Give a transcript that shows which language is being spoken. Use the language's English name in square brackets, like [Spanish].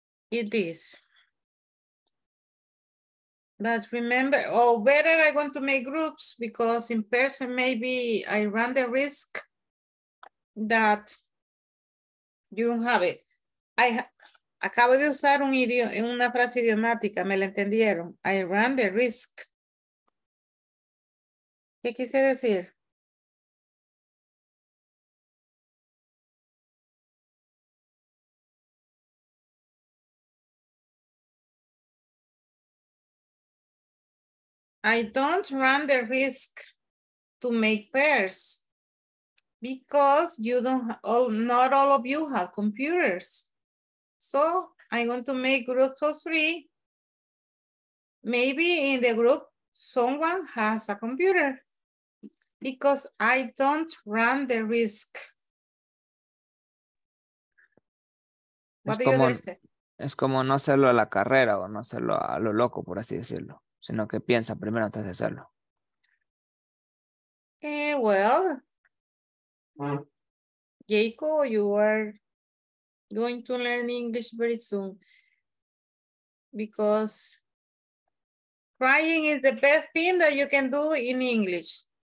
[English] It is. But remember, oh, better I want to make groups because in person, maybe I run the risk that you don't have it. [Spanish] Acabo de usar un una frase idiomática, me la entendieron. [English] I ran the risk. [Spanish] ¿Qué quise decir? [English] I don't run the risk to make pairs because you don't, not all of you have computers. So I'm going to make groups of three. Maybe in the group, someone has a computer because I don't run the risk. What do you understand? [Spanish] Es como no hacerlo a la carrera o no hacerlo a lo loco, por así decirlo, sino que piensa primero antes de hacerlo. [English] Well, Jacob, you are going to learn English very soon because crying is the best thing that you can do in English.